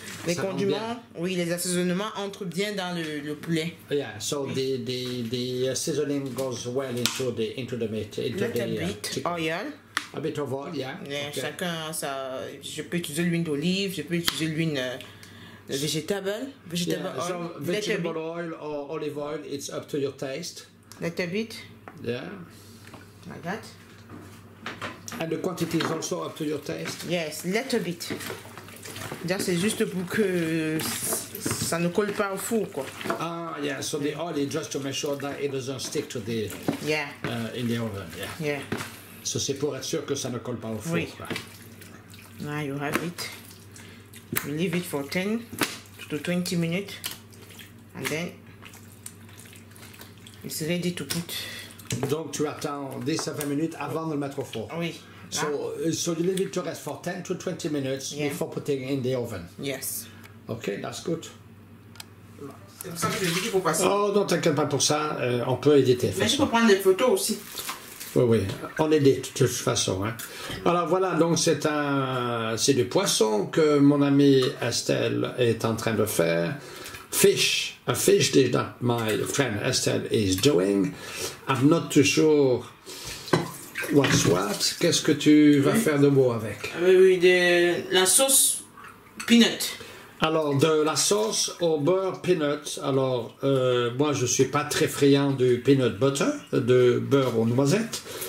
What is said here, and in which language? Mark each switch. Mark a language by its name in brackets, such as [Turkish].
[French] Les condiments, oui, les assaisonnements entrent bien dans le poulet. [English] Yeah, so the seasoning goes well into the meat. A bit of oil. A bit of oil, yeah. Okay. [French] Chacun, ça, je peux utiliser l'huile d'olive, je peux utiliser l'huile vegetable oil. [English] So vegetable oil or olive oil, it's up to your taste. Little bit. Yeah. Like that. And the quantity is also up to your taste. Yes, little bit. [French] C'est juste pour que ça ne colle pas au four, quoi. [English] Ah, yeah. So the oil is just to make sure that it doesn't stick to the in the oven. Yeah. Yeah. [French] So c'est pour être sûr que ça ne colle pas au four. [English] Oui. Now you have it. You leave it for 10 to 20 minutes, and then it's ready to put. [French] Donc tu attends 10-20 minutes avant de le mettre au four. Oui. [English] So you leave it to rest for 10 to 20 minutes before putting it in the oven. Yes. Okay, that's good. [French] C'est pour ça que j'ai dit qu'il faut passer. Oh non, t'inquiète pas pour ça, on peut éditer. Mais je peux prendre des photos aussi. Oui, oui, on édite de toute façon. Hein. Alors voilà, donc c'est du poisson que mon amie Estelle est en train de faire. [English] Fish, a fish dish that my friend Estelle is doing. I'm not too sure what's what. [French] Qu'est-ce que tu vas faire de beau avec? Oui, la sauce peanut. Alors, de la sauce au beurre peanut. Alors, moi, je ne suis pas très friand du peanut butter, de beurre aux noisettes.